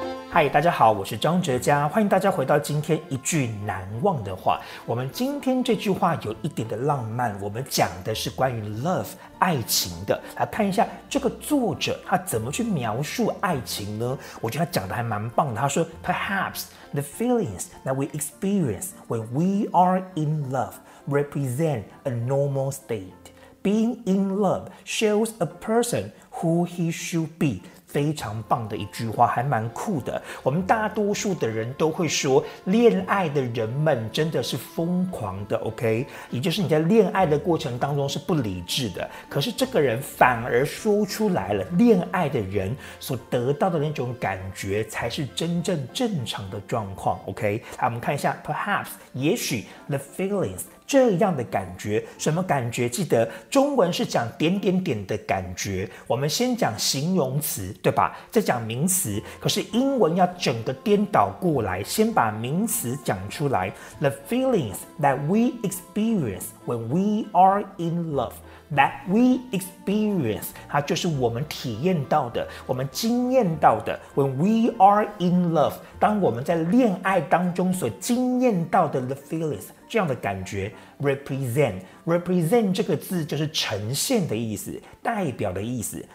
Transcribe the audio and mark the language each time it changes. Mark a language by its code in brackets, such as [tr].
[zh] 嗨，大家好，我是张哲嘉，欢迎大家回到今天一句难忘的话。我们今天这句话有一点的浪漫，我们讲的是关于 love 爱情的。来看一下这个作者他怎么去描述爱情呢？我觉得他讲的还蛮棒的。他说 [en] ，Perhaps the feelings that we experience when we are in love represent a normal state. Being in love shows a person who he should be. [zh] 非常棒的一句话，还蛮酷的。我们大多数的人都会说，恋爱的人们真的是疯狂的 ，OK？也就是你在恋爱的过程当中是不理智的。可是这个人反而说出来了，恋爱的人所得到的那种感觉才是真正正常的状况 ，OK？来，我们看一下 ，Perhaps， 也许 ， [en] the feelings。 [zh] 这样的感觉，什么感觉？记得中文是讲点点点的感觉，我们先讲形容词，对吧？再讲名词。可是英文要整个颠倒过来，先把名词讲出来。 [en] The feelings that we experience when we are in love. That we experience， [zh] 它就是我们体验到的，我们经验到的。 [en] When we are in love， [zh] 当我们在恋爱当中所经验到的 [en] the feelings， [zh] 这样的感觉 represent。 represent 这个字就是呈现的意思，代表的意思。